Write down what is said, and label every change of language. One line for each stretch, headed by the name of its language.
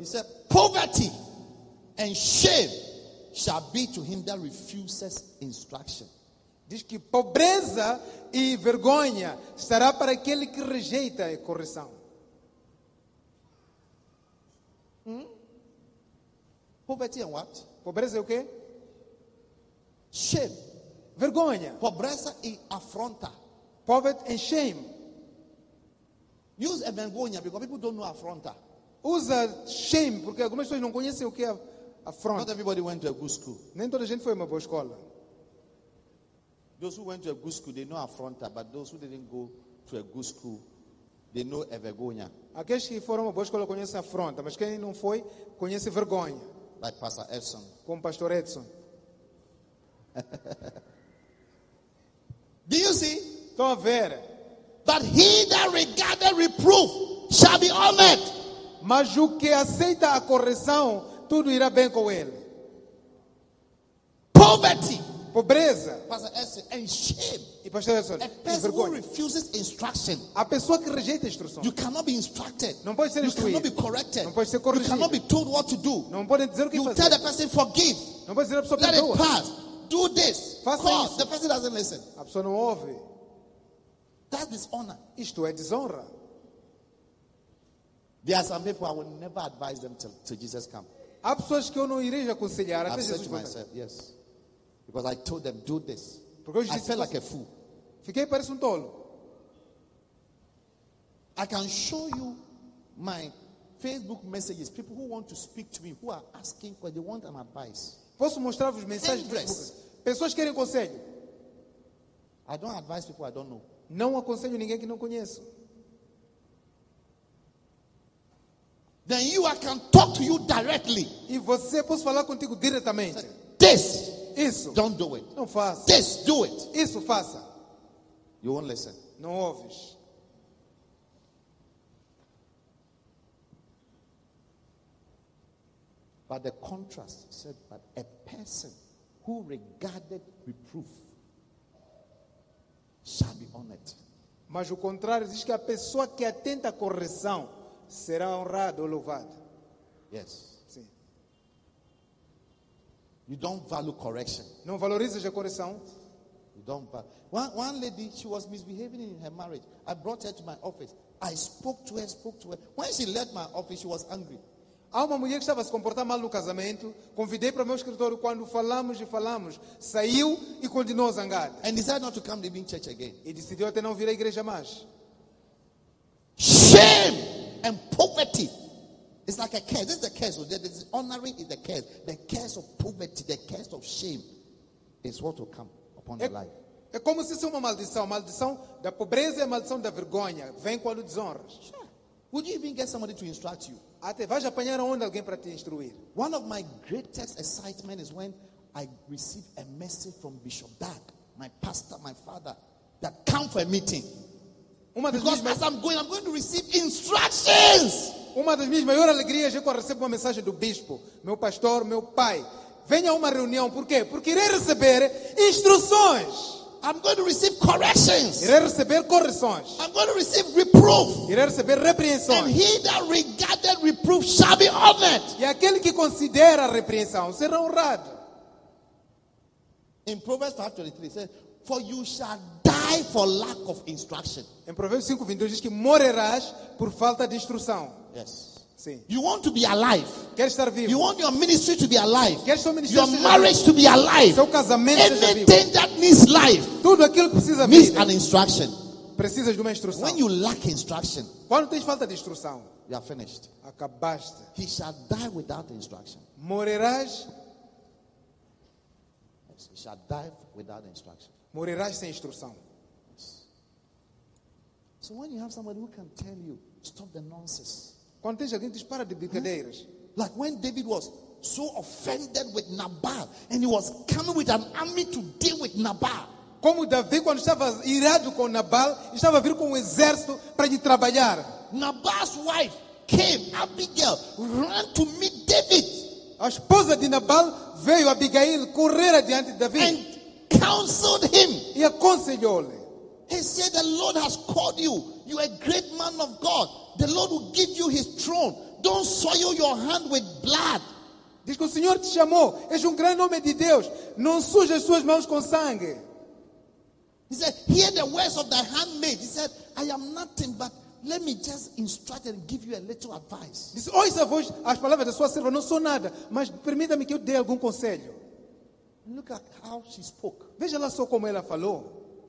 English: He said, "Poverty and shame shall be to him that refuses instruction."
Portuguese: Diz que pobreza e vergonha será para aquele que rejeita a correção.
English: Poverty and what?
Portuguese: Pobreza é o quê?
English: Shame.
Portuguese: Vergonha. Pobreza e afronta.
English: Poverty and shame. Use
Portuguese: a vergonha
English: because people don't know afronta.
Portuguese: Usa shame porque algumas pessoas não conhecem o que é afronta.
English: Not everybody went to a good school.
Portuguese: Nem toda a gente foi a uma boa escola.
English: Those who went to a good school, they know afronta, but those who didn't go to a good school, they know
Portuguese: a vergonha. Aqueles que foram a uma boa escola conhecem afronta, mas quem não foi conhece vergonha.
English: Like Pastor Edson.
Portuguese: Como Pastor Edson.
English: Do you see?
Portuguese: Tô a ver.
English: But he that regarded reproof shall be honored.
Portuguese: Mas o que aceita a correção, tudo irá bem com ele.
English: Poverty.
Portuguese: Pobreza.
English: And shame.
Portuguese: E pastor Edson,
English: a person who refuses instruction.
Portuguese: A pessoa que rejeita a instrução.
English: You cannot be instructed.
Portuguese: Não pode ser instruído.
English: You cannot be corrected.
Portuguese: Não pode ser corrigido.
English: You cannot be told what to do.
Portuguese: Não pode dizer o que
English: you
Portuguese: fazer.
English: Tell the person forgive.
Portuguese: Não pode dizer a pessoa
English: let
Portuguese: perdoa.
English: It pass. Do this.
Portuguese: Faça isso.
English: The person doesn't listen.
Portuguese: A pessoa não ouve.
English: That's dishonor.
Portuguese: Isto é desonra.
English: There are some people I will never advise them to Jesus come.
Portuguese: Há pessoas que eu não irei aconselhar até Jesus vir.
English: Yes. Because I told them do this.
Portuguese: Porque eu
English: I felt like a fool.
Portuguese: Fiquei parece tolo.
English: I can show you my Facebook messages. People who want to speak to me, who are asking because they want an advice.
Portuguese: Posso mostrar-vos mensagens de pessoas que querem conselho.
English: I don't advise people I don't know.
Portuguese: Não aconselho ninguém que não conheço.
English: Then you, I can talk to you directly.
Portuguese: E você posso falar contigo diretamente.
English: This,
Portuguese: isso.
English: Don't do it.
Portuguese: Não faça.
English: This, do it.
Portuguese: Isso faça.
English: You won't listen.
Portuguese: Não ouves.
English: But the contrast said, but a person who regarded reproof shall be honored.
Portuguese: Mas o contrário diz que a pessoa que atenta à correção será honrado ou louvado.
English: Yes.
Portuguese: Sim.
English: You don't value correction.
Portuguese: Não valorizas a correção.
English: You don't one lady, she was misbehaving in her marriage. I brought her to my office. I spoke to her. When she left my office, she was angry.
Portuguese: Há uma mulher que estava a se comportar mal no casamento. Convidei para o meu escritório. Quando falamos, saiu e continuou zangada.
English: And decided not to come to be in church again.
Portuguese: E decidiu até não vir à igreja mais.
English: Shame and poverty. It's like a curse. This is the curse. The honoring is the curse. The curse of poverty, the curse of shame is what will come upon your life.
Portuguese: É como se fosse uma maldição. A maldição da pobreza e a maldição da vergonha. Vem quando desonras.
English: Sure. Would you even get somebody to instruct you?
Portuguese: Até vais apanhar onde alguém para te instruir.
English: One of my greatest excitement is when I receive a message from Bishop Dag, my pastor, my father, that come for a meeting. I'm going to receive instructions.
Portuguese: Uma das minhas maiores alegrias é quando recebo uma mensagem do bispo, meu pastor, meu pai. Venha a uma reunião, por quê? Porque irei receber instruções.
English: I'm going to receive corrections.
Portuguese: Irei receber correções.
English: I'm going to receive reproof.
Portuguese: Irei receber repreensão.
English: And he that regarded reproof shall be honored.
Portuguese: E aquele que considera a repreensão será honrado.
English: In Proverbs 5:23 says, "For you shall die for lack of instruction."
Portuguese: Em Provérbios 5:22 diz que morrerás por falta de instrução.
English: Yes.
Portuguese: Sim.
English: You want to be alive.
Portuguese: Quer estar vivo.
English: You want your ministry to be alive.
Portuguese: Quer seu ministério
English: your marriage
Portuguese: vivo.
English: To be alive.
Portuguese: Seu casamento
English: anything
Portuguese: seja vivo.
English: Anything that needs life.
Portuguese: Tudo aquilo que precisa
English: needs
Portuguese: vida.
English: An instruction.
Portuguese: Precisas de uma instrução.
English: When you lack instruction.
Portuguese: Quando tens falta de instrução.
English: You are finished.
Portuguese: Acabaste.
English: He shall die without instruction.
Portuguese: Morrerás.
English: Yes, he shall die without instruction.
Portuguese: Morrerás sem instrução.
English: Yes. So when you have somebody who can tell you, stop the nonsense.
Portuguese: Quando tens alguém, diz, para de brincadeiras.
English: Like when David was so offended with Nabal, and he was coming with an army to deal with Nabal.
Portuguese: Como Davi, quando estava irado com Nabal, estava a vir com um exército para lhe trabalhar.
English: Nabal's wife came, Abigail, ran to meet David.
Portuguese: A esposa de Nabal veio, Abigail, correr adiante de Davi.
English: And counseled him.
Portuguese: E aconselhou-lhe.
English: He said, "The Lord has called you. You are a great man of God. The Lord will give you his throne. Don't soil your hand with blood."
Portuguese: Diz que o Senhor te chamou. És um grande homem de Deus. Não suje as suas mãos com sangue.
English: He said, "Hear the words of thy handmaid." He said, "I am nothing, but let me just instruct and give you a little advice."
Portuguese: Diz, ouça as palavras da sua serva. Não sou nada, mas permita-me que eu dê algum conselho.
English: Look at how she spoke.
Portuguese: Veja lá só como ela falou.